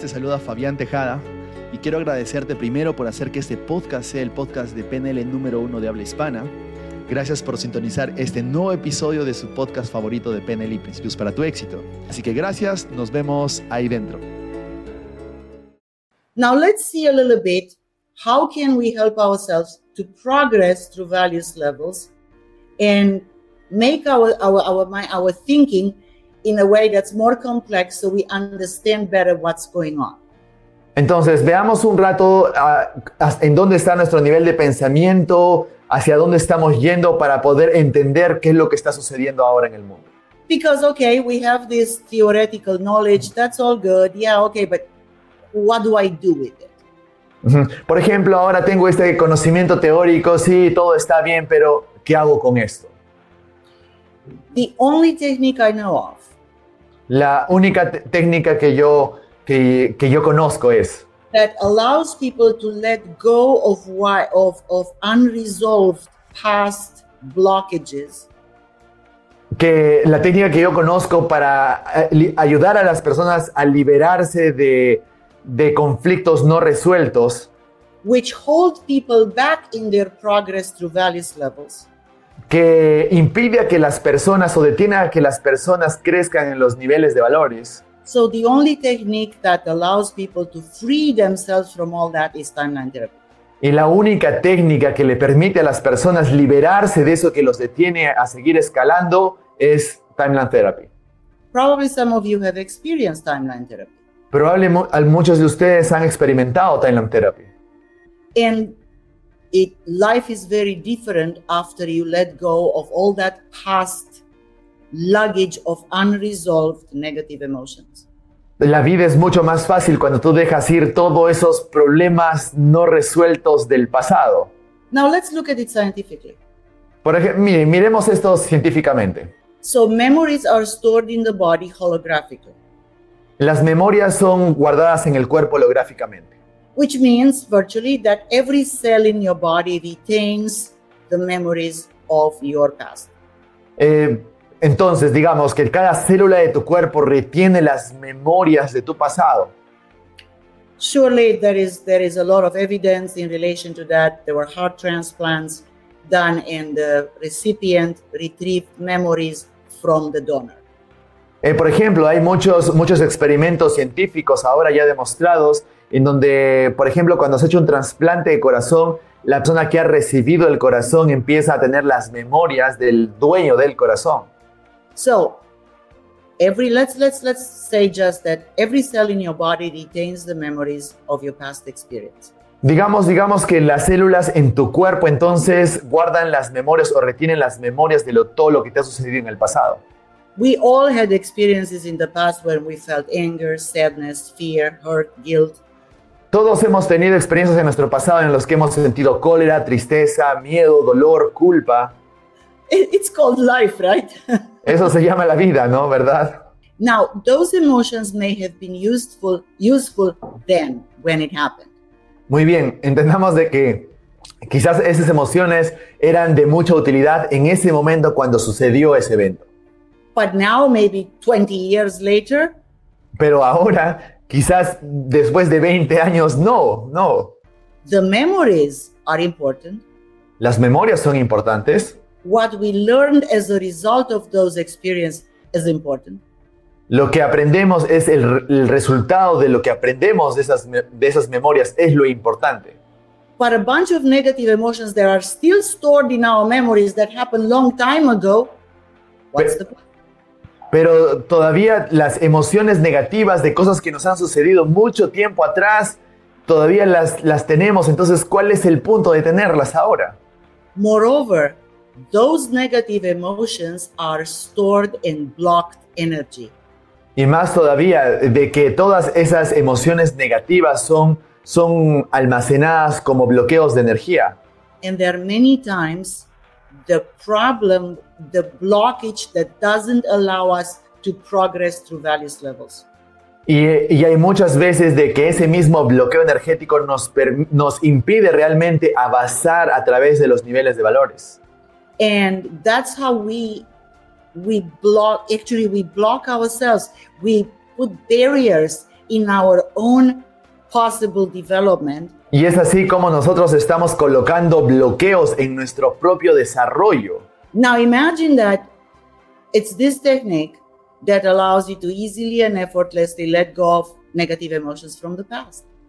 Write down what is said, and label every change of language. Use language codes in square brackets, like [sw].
[es] Te saluda Fabián Tejada y quiero agradecerte primero por hacer que este podcast sea el podcast de PNL número uno de habla hispana. Gracias por sintonizar este nuevo episodio de su podcast favorito de PNL y principios para tu éxito. Así que gracias, nos vemos ahí dentro. [en] Now let's see a little bit how can we help ourselves to progress through values levels and make our thinking in a way that's more complex so we understand better what's going on. [es] Entonces, veamos un rato en dónde está nuestro nivel de pensamiento, hacia dónde estamos yendo para poder entender qué es lo que está sucediendo ahora en el mundo. [en] Because, okay, we have this theoretical knowledge, that's all good, yeah, okay, but what do I do with it? [es] Por ejemplo, ahora tengo este conocimiento teórico, sí, todo está bien, pero ¿qué hago con esto? [en] The only technique I know of. [es] La única técnica que yo conozco es [en] that allows people to let go of why of unresolved past blockages. [es] Que la técnica que yo conozco para ayudar a las personas a liberarse de conflictos no resueltos, [en] which hold people back in their progress through values levels, [es] que impide a que las personas o detiene a que las personas crezcan en los niveles de valores. [en] So the only technique that allows people to free themselves from all that is timeline therapy. [es] Y la única técnica que le permite a las personas liberarse de eso que los detiene a seguir escalando es timeline therapy. [en] Probably some of you have experienced timeline therapy. [es] Probablemente muchos de ustedes han experimentado timeline therapy. [en] And it, life is very different after you let go of all that past luggage of unresolved negative emotions. [es] La vida es mucho más fácil cuando tú dejas ir todos esos problemas no resueltos del pasado. [en] Now let's look at it scientifically. [es] Por ejemplo, miremos esto científicamente. [en] So memories are stored in the body holographically. [es] Las memorias son guardadas en el cuerpo holográficamente. [en] Which means virtually that every cell in your body retains the memories of your past. [es] Entonces, digamos que cada célula de tu cuerpo retiene las memorias de tu pasado. [en] Surely there is a lot of evidence in relation to that. There were heart transplants done and the recipient retrieved memories from the donor. [es] Por ejemplo, hay muchos experimentos científicos ahora ya demostrados en donde, por ejemplo, cuando se ha hecho un trasplante de corazón, la persona que ha recibido el corazón empieza a tener las memorias del dueño del corazón. [en] So, let's say just that every cell in your body retains the memories of your past experience. [es] Digamos que las células en tu cuerpo entonces guardan las memorias o retienen las memorias de todo lo que te ha sucedido en el pasado. [en] We all had experiences in the past when we felt anger, sadness, fear, hurt, guilt. [es] Todos hemos tenido experiencias en nuestro pasado en los que hemos sentido cólera, tristeza, miedo, dolor, culpa. [en] It's called life, right? [es] Eso se llama la vida, ¿no? ¿Verdad? [en] Now, those emotions may have been useful then when it happened. [es] Muy bien, entendamos de que quizás esas emociones eran de mucha utilidad en ese momento cuando sucedió ese evento. [en] But now, maybe 20 years later. [es] Pero ahora, quizás después de 20 años, no. [en] The memories are important. [es] Las memorias son importantes. [en] What we learned as a result of those experiences is important. [es] Lo que aprendemos es el resultado de lo que aprendemos de esas memorias es lo importante. [en] But a bunch of negative emotions that are still stored in our memories that happened long time ago, what's the point? [es] Pero todavía las emociones negativas de cosas que nos han sucedido mucho tiempo atrás, todavía las tenemos. Entonces, ¿cuál es el punto de tenerlas ahora? [en] Moreover, those negative emotions are stored in blocked energy. [es] Y más todavía, de que todas esas emociones negativas son almacenadas como bloqueos de energía. [en] And there are many times the problem, the blockage that doesn't allow us to progress through values levels. [es] Y hay muchas veces de que ese mismo bloqueo energético nos impide realmente avanzar a través de los niveles de valores. [en] And that's how we block ourselves. We put barriers in our own possible development. [es] Y es así como nosotros estamos colocando bloqueos en nuestro propio desarrollo. [en] Now imagine that it's this technique that allows you to easily and effortlessly let go of negative emotions from the past.